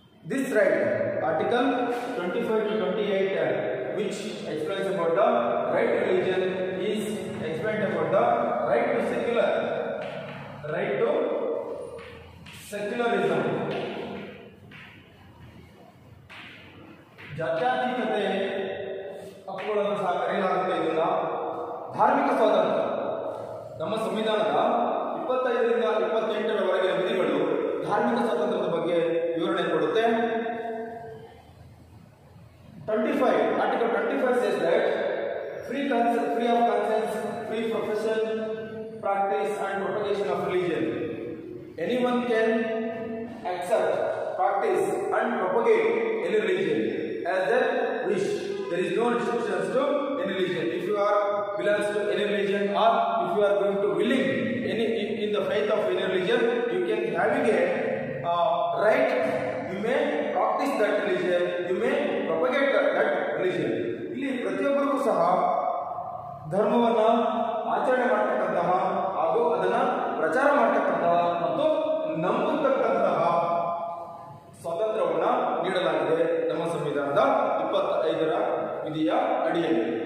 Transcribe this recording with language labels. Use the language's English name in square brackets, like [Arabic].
[English] This right, Article 25-28 Act, which explains about the right to religion, is explained about the right to secular, right to secularism. [Kannada] ಜಾತ್ಯಾತೀತತೆ ಹಕ್ಕುಗಳನ್ನು ಸಹ ಕರೆಯಲಾಗುತ್ತೆ. ಇದನ್ನ ಧಾರ್ಮಿಕ ಸ್ವಾತಂತ್ರ್ಯ, ನಮ್ಮ ಸಂವಿಧಾನದ 25-28 ವಿಧಿಗಳು ಧಾರ್ಮಿಕ ಸ್ವಾತಂತ್ರ್ಯದ ಬಗ್ಗೆ ವಿವರಣೆ ಕೊಡುತ್ತೆ. [English] 25, Article 25 says that free of conscience, free profession, practice and propagation of religion. Anyone can accept, practice and propagate any religion as their wish. There is no restrictions to any religion. If you are belongs to any religion or if you are going to willing any in the faith of any religion, you can navigate right. You may practice that religion, you may propagate that religion. [Kannada] ಇಲ್ಲಿ ಪ್ರತಿಯೊಬ್ಬರಿಗೂ ಸಹ ಧರ್ಮವನ್ನು ಆಚರಣೆ ಮಾಡತಕ್ಕಂತಹ ಹಾಗೂ ಅದನ್ನು ಪ್ರಚಾರ ಮಾಡತಕ್ಕಂತಹ ಮತ್ತು ನಂಬತಕ್ಕಂತಹ ಸ್ವಾತಂತ್ರ್ಯವನ್ನು ನೀಡಲಾಗಿದೆ ನಮ್ಮ ಸಂವಿಧಾನದ 25 ವಿಧಿಯ ಅಡಿಯಲ್ಲಿ.